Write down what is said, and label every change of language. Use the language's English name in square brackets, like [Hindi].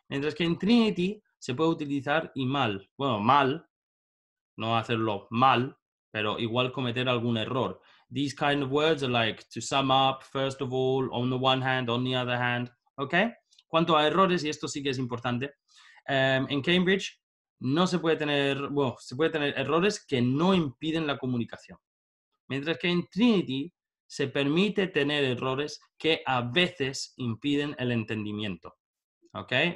[Spanish] Mientras que en Trinity se puede utilizar y mal. Bueno, mal, no hacerlo mal, pero igual cometer algún error. [English] These kind of words are like to sum up, first of all, on the one hand, on the other hand. Okay. [Spanish] Cuanto a errores, y esto sí que es importante, en Cambridge no se puede tener, bueno, se puede tener errores que no impiden la comunicación. Mientras que en Trinity se permite tener errores que a veces impiden el entendimiento. Okay.